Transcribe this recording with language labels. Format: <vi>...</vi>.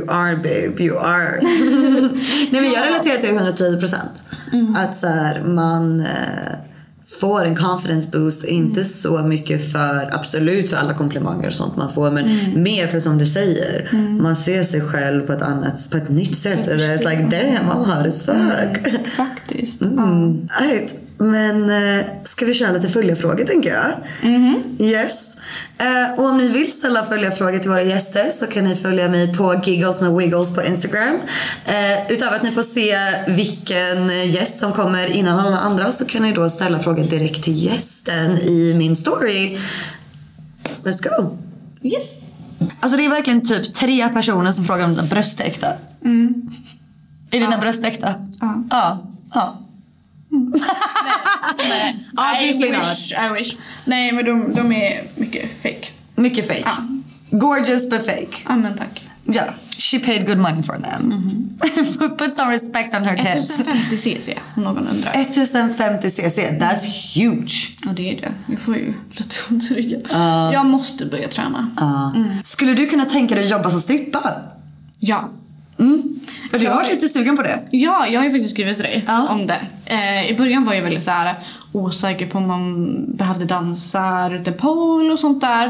<en>You are, babe, you are.</en> <sv>Nej, men jag relaterar till 110%. Att så här, man får en confidence boost. Inte så mycket för, absolut för alla komplimanger och sånt man får, men mer för, som du säger, man ser sig själv på ett annat, på ett nytt sätt.</sv> <en>It's like, damn, I'm hot as fuck.</en> <sv>Faktiskt.</sv> <en>Right.</en> <sv>Men ska vi köra lite följarfrågor, tänker jag. Yes. Och om ni vill ställa följarfrågor till våra gäster så kan ni följa mig på Giggles med Wiggles på Instagram. Utöver att ni får se vilken gäst som kommer innan alla andra, så kan ni då ställa frågan direkt till gästen i min story.</sv> <en>Let's go. Yes.</en> <sv>Alltså det är verkligen typ 3 personer som frågar om dina bröst är äkta. Är dina bröst äkta? Ja. Ja.</sv> <en>I wish.</en> <sv>Nej, men de är mycket fake. Mycket fake.</sv> <en>Gorgeous but fake.</en> <sv>Ja, men tack.</sv> <en>Ja, she paid good money for them. Put some respect on her tits.</en> <sv>1050 cc, om någon undrar.</sv> <en>1050 cc, that's huge.</en> <sv>Ja, det är det. Jag får ju lite ont i ryggen. Jag måste börja träna. Skulle du kunna tänka dig jobba som strippa? Ja. Du har varit lite sugen på det. Ja, jag har ju faktiskt skrivit dig om det. I början var jag väldigt så här osäker på om man behövde dansa lite pol och sånt där.</sv>